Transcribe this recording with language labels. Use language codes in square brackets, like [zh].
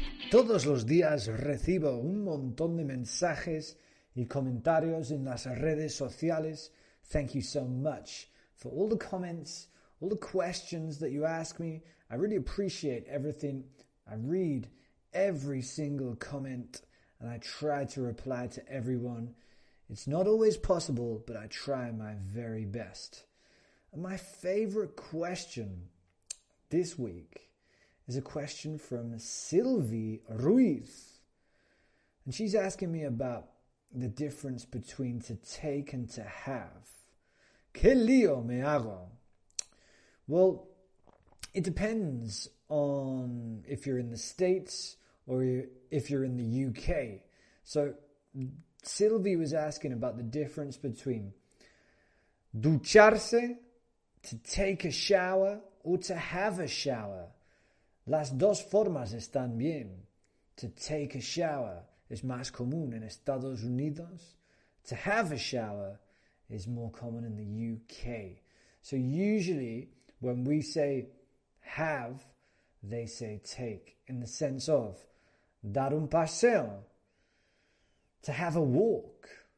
[es] Todos los días recibo un montón de mensajes y comentarios en las redes sociales. [en] Thank you so much for all the comments, all the questions that you ask me. I really appreciate everything. I read every single comment and I try to reply to everyone. It's not always possible, but I try my very best. And my favorite question this week is a question from Sylvie Ruiz. And she's asking me about the difference between to take and to have. [es] ¿Qué lío me hago? [en] Well, it depends on if you're in the States or if you're in the UK. So Sylvie was asking about the difference between ducharse, to take a shower, or to have a shower. [es] Las dos formas están bien. [en] To take a shower is [es] más común en Estados Unidos. [en] To have a shower is more common in the UK. So usually when we say have, they say take, in the sense of [es] dar un paseo, [en] to have a walk.